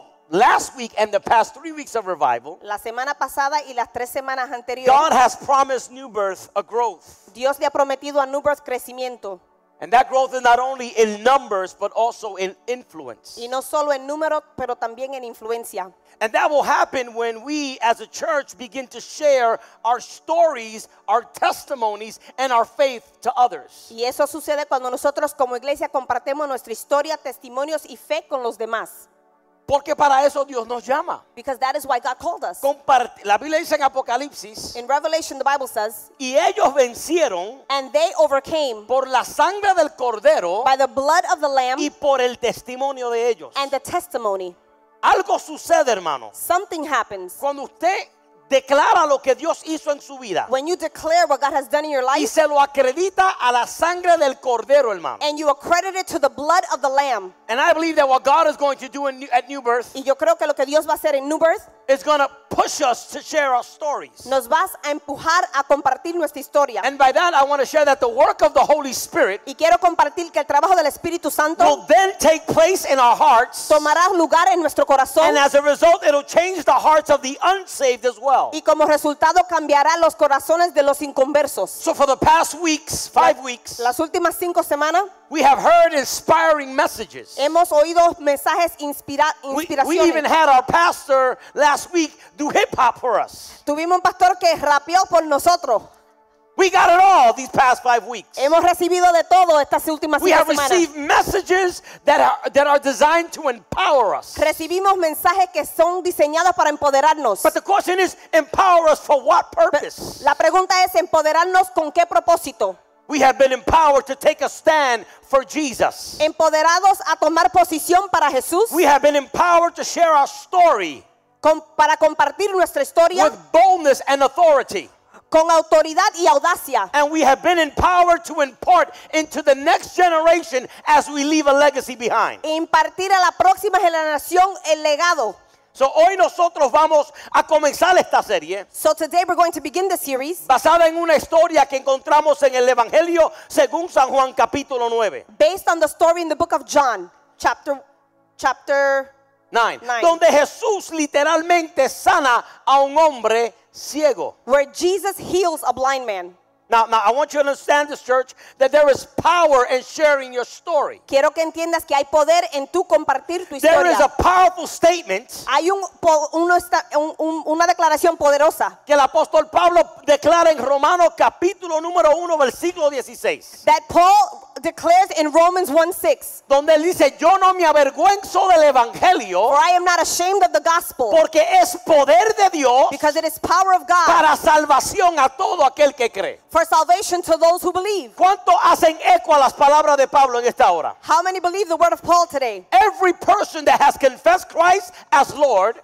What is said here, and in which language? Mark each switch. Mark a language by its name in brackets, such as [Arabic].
[English] Last week and the past 3 weeks of revival. [Spanish] La semana pasada y las tres semanas anteriores. [English] God has promised New Birth a growth. [Spanish] Dios le ha prometido a New Birth crecimiento. [English] And that growth is not only in numbers but also in influence. [Spanish] Y no solo en número, pero también en influencia. [English] And that will happen when we as a church begin to share our stories, our testimonies and our faith to others. [Spanish] Y eso sucede cuando nosotros como iglesia compartimos nuestra historia, testimonios y fe con los demás. Porque para eso Dios nos llama. [English] Because that is why God called us. [Spanish] La Biblia dice en Apocalipsis. [English] In Revelation the Bible says. [Spanish] Y ellos vencieron. [English] And they overcame. [Spanish] Por la sangre del cordero. [English] By the blood of the lamb. [Spanish] Y por el testimonio de ellos. [English] And the testimony. [Spanish] Algo sucede, hermano. [English] Something happens. [Spanish] Cuando usted declara lo que Dios hizo en su vida. [English] When you declare what God has done in your life. [Spanish] Y se lo acredita a la sangre del cordero, hermano. [English] And you accredit it to the blood of the lamb. And I believe that what God is going to do at New Birth. [Spanish] Y yo creo que lo que Dios va a hacer en New Birth. [English] Is going to push us to share our stories. [Spanish] Nos vas a empujar a compartir nuestra historia. [English] And by that I want to share that the work of the Holy Spirit. [Spanish] Y quiero compartir que el trabajo del Espíritu Santo. [English] Will then take place in our hearts. [Spanish] Tomará lugar en nuestro corazón. [English] And as a result it will change the hearts of the unsaved as well. [Spanish] Y como resultado cambiará los corazones de los inconversos. [English] So for the past weeks, five weeks. [Spanish] Las últimas cinco semanas. [English] We have heard inspiring messages. [Spanish] Hemos oído mensajes inspiracionales. [English] We even had our pastor last week do hip hop for us. [Spanish] Tuvimos un pastor que rapeó por nosotros. [English] We got it all these past 5 weeks. [Spanish] Hemos recibido de todo estas últimas [English] semanas. We have received messages that are designed to empower us. [Spanish] Recibimos mensajes que son diseñados para empoderarnos. [English] But the question is, empower us for what purpose? [Spanish] La pregunta es, ¿empoderarnos con qué propósito? [English] We have been empowered to take a stand for Jesus. [Spanish] Empoderados a tomar posición para Jesús. [English] We have been empowered to share our story. [Spanish] Para compartir nuestra historia. [English] With boldness and authority. [Spanish] Con autoridad y audacia. [English] And we have been empowered to impart into the next generation as we leave a legacy behind. [Spanish] Impartir a la próxima generación el legado. So hoy nosotros vamos a comenzar esta serie. [English] So today we're going to begin the series. [Spanish] Basada en una historia que encontramos en el Evangelio según San Juan capítulo 9. [English] Based on the story in the book of John, chapter 9. [Spanish] Donde Jesús literalmente sana a un hombre ciego. [English] Where Jesus heals a blind man. Now I want you to understand this, church, that there is power in sharing your story. [Spanish] Quiero que entiendas que hay poder en tu compartir tu historia. [English] There is a powerful statement. [Spanish] Hay una declaración poderosa. Que el apóstol Pablo declara en Romanos capítulo número 1 versículo 16. [English] That Paul declares in Romans 1:6. [Spanish] Donde él dice, yo no me avergüenzo del evangelio. [English] For I am not ashamed of the gospel. [Spanish] Porque es poder de Dios. [English] Because it is power of God. [Spanish] Para salvación a todo aquel que cree. [English] For salvation to those who believe. [Spanish] ¿Cuánto hacen eco a las palabras de Pablo en esta hora? [English] How many believe the word of Paul today? Every person that has confessed Christ as Lord.